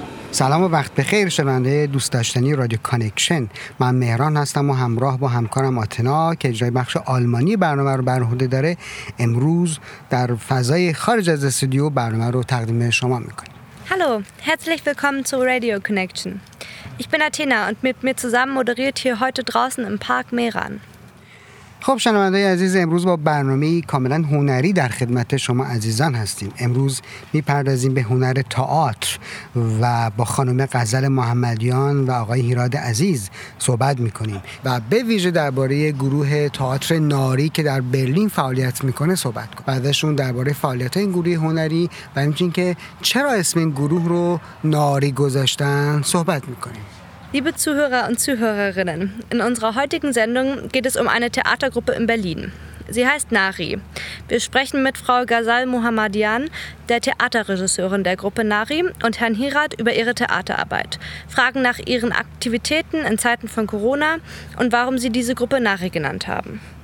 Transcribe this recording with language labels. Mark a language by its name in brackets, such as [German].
[Persian] سلام و وقت بخیر شنونده دوست داشتنی رادیو کانکشن. من مهران هستم و همراه با همکارم آتنا که اجرای بخش آلمانی برنامه رو بر عهده داره، امروز در فضای خارج از استودیو برنامه رو تقدیم شما میکنیم. [German] Hallo, herzlich willkommen zu Radio Connection. Ich bin Athena und mit mir zusammen moderiert hier heute draußen im Park Mehran. [Persian] خب شنوندگان عزیز، امروز با برنامه‌ای کاملا هنری در خدمت شما عزیزان هستیم. امروز می‌پردازیم به هنر تئاتر و با خانم غزل محمدیان و آقای هیراد عزیز صحبت می‌کنیم و به ویژه درباره گروه تئاتر ناری که در برلین فعالیت می‌کنه صحبت کنیم. بعدشون درباره فعالیت‌های این گروه هنری و همچنین که چرا اسم این گروه رو ناری گذاشتن صحبت می‌کنیم. [German] Liebe Zuhörer und Zuhörerinnen, in unserer heutigen Sendung geht es um eine Theatergruppe in Berlin. Sie heißt Nari. Wir sprechen mit Frau Ghazal Muhammadian, der Theaterregisseurin der Gruppe Nari, und Herrn Hirat über ihre Theaterarbeit, fragen nach ihren Aktivitäten in Zeiten von Corona und warum sie diese Gruppe Nari genannt haben.